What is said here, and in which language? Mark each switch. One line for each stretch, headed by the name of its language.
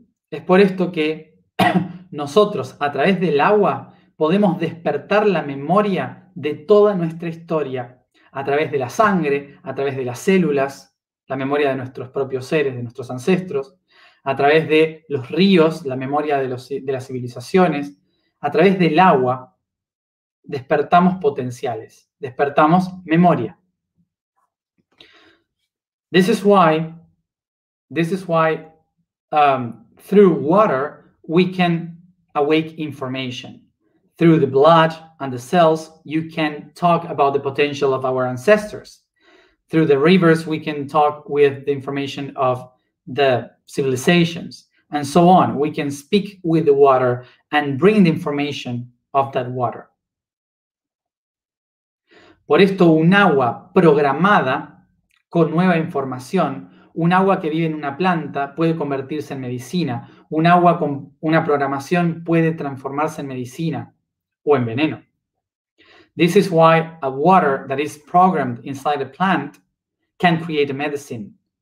Spanish: Es por esto que nosotros, a través del agua, podemos despertar la memoria de toda nuestra historia, a través de la sangre, a través de las células, la memoria de nuestros propios seres, de nuestros ancestros, a través de los ríos, la memoria de las civilizaciones, a través del agua, despertamos potenciales, despertamos memoria.
English: This is why, through water, we can awake information. Through the blood and the cells, you can talk about the potential of our ancestors. Through the rivers, we can talk with the information of the civilizations, and so on. We can speak with the water and bring the information of that water.
Spanish: Por esto, un agua programada con nueva información, un agua que vive en una planta puede convertirse en medicina. Un agua con una programación puede transformarse en medicina o en veneno.
English: This is why a water that is programmed inside a plant can create a medicine.